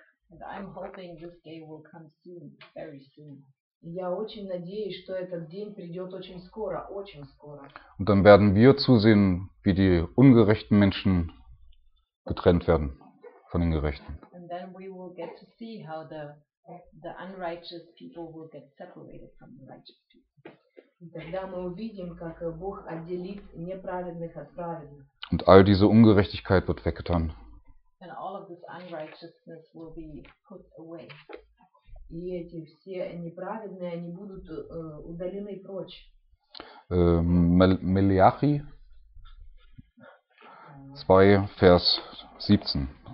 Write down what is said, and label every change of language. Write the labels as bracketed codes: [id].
[en] And I'm hoping this day will come soon, very soon. [ru] Я очень надеюсь, что этот день придет очень скоро, очень скоро. [de] Und dann werden wir zusehen, wie die ungerechten Menschen getrennt werden von den Gerechten. [en] And then we will get to see how the unrighteous people will get separated from the righteous people. [de] Und [ru] тогда мы увидим, как Бог отделит неправедных от праведных. [de] Und all diese Ungerechtigkeit wird weggetan. [en] And all of this unrighteousness will be put away. [ru] И эти все неправедные, они будут удалены прочь. Малахи 2, Vers 17.